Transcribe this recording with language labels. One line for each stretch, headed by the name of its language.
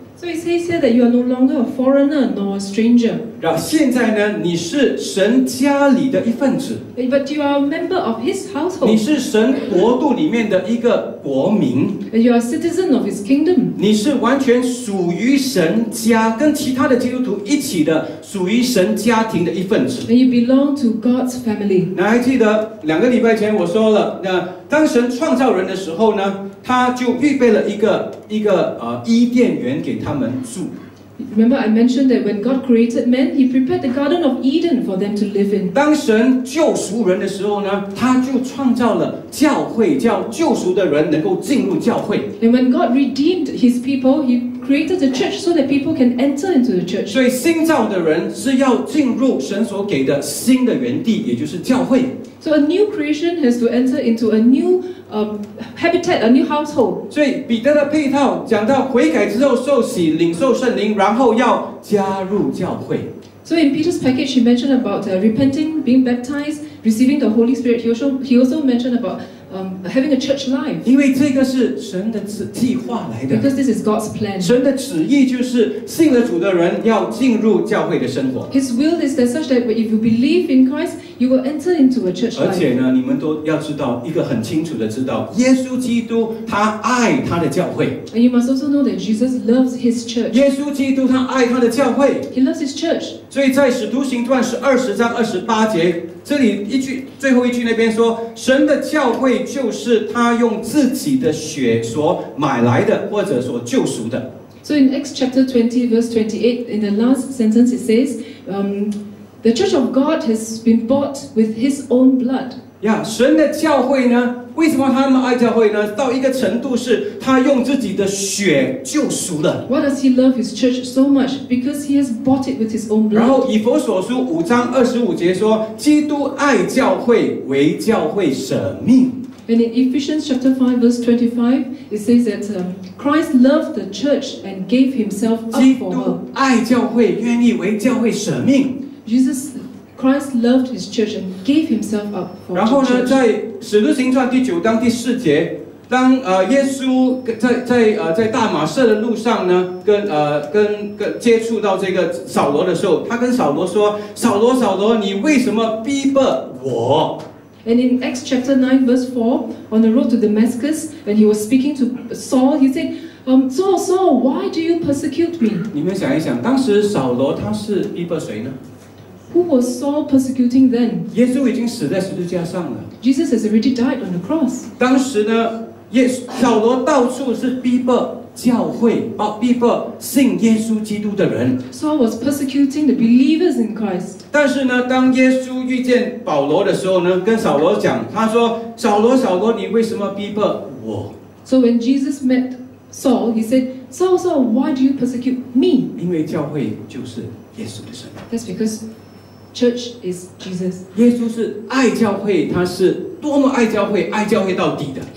English: So it says here that you are no longer a foreigner nor a stranger.
Chinese: 然后现在呢，你是神家里的一份子。
English: But you are a member of His household.
Chinese: 你是神国度里面的一个国民。
English: And you are a citizen of His kingdom.
Chinese: 你是完全属于神家，跟其他的基督徒一起的，属于神家庭的一份子。
English: And you belong to God's family.
Chinese: 那还记得两个礼拜前我说了，那当神创造人的时候呢？他就预备了一个伊甸园给他们住。
English: Remember, I mentioned that when God created man, He prepared the Garden of Eden for them to live in.
Chinese: 当神救赎人的时候呢，他就创造了教会，叫救赎的人能够进入教会。
English: And when God redeemed His people, He created the church so that people can enter into the church.
Chinese: 所以新造的人是要进入神所给的新的园地，也就是教会。
English: So a new creation has to enter into a newhabitat, a new household.
Chinese: 所以彼得的配套讲到悔改之后受洗领受圣灵，然后要加入教会。
English: So in Peter's package, he mentioned about repenting, being baptized, receiving the Holy Spirit. He also mentioned abouthaving a church life.
Chinese: 因为这个是神的计划来的。
English: Because this is God's plan.
Chinese: 神的旨意就是信了主的人要进入教会的生活。
English: His will is that such that if you believe in Christ, you will enter into a church life.
Chinese: 而且呢，你们都要知道一个很清楚的知道，耶稣基督他爱他的教会。
English: And you must also know that Jesus loves His church.
Chinese: 耶稣基督他爱他的教会。
English: He loves His church.
Chinese: 所以在使徒行传20:28这里一句最后一句那边说，神的教会就是他用自己的血所买来的，或者所救赎的。
English: So in Acts chapter 20 verse 28, in the last sentence it says, the church of God has been bought with His own blood.
Chinese: Yeah, 神的教会呢？为什么他那么爱教会呢？到一个程度是他用自己的血救赎了。
English: Why does he love his church so much? Because he has bought it with his own blood.
Chinese: 然后以弗所书5:25说，基督爱教会，为教会舍命。
English: And in Ephesians chapter 5 verse 25, it says that Christ loved the church and gave himself up for her.
Chinese: 基督爱教会，愿意为教会舍命。
English: Christ loved his church and gave himself up for church.
Chinese: 然后呢，在《使徒行传》9:4，当耶稣在大马色的路上呢，跟接触到这个扫罗的时候，他跟扫罗说：“扫罗，扫罗，你为什么逼迫我？”
English: And in Acts chapter 9 verse 4, on the road to Damascus, when he was speaking to Saul, he said, Saul, why do you persecute me?"
Chinese: 你们想一想，当时扫罗他是逼迫谁呢？
English: Who was Saul persecuting then?
Chinese: 耶稣已经死在十字架上了。
English: Jesus has already died on the cross.
Chinese: 当时呢，扫罗到处是逼迫教会，逼迫信耶稣基督的人。
English: Saul was persecuting the believers in Christ.
Chinese: 但是呢，当耶稣遇见保罗的时候呢，跟扫罗讲，他说：“扫罗，扫罗，你为什么逼迫我？”
English: So when Jesus met Saul, he said, "Saul, Saul, why do you persecute me?"
Chinese: 因为教会就是耶稣的身体。
English: That's because Church is Jesus.
Chinese: 耶稣是爱教会，他是多么爱教会，爱教会到底的。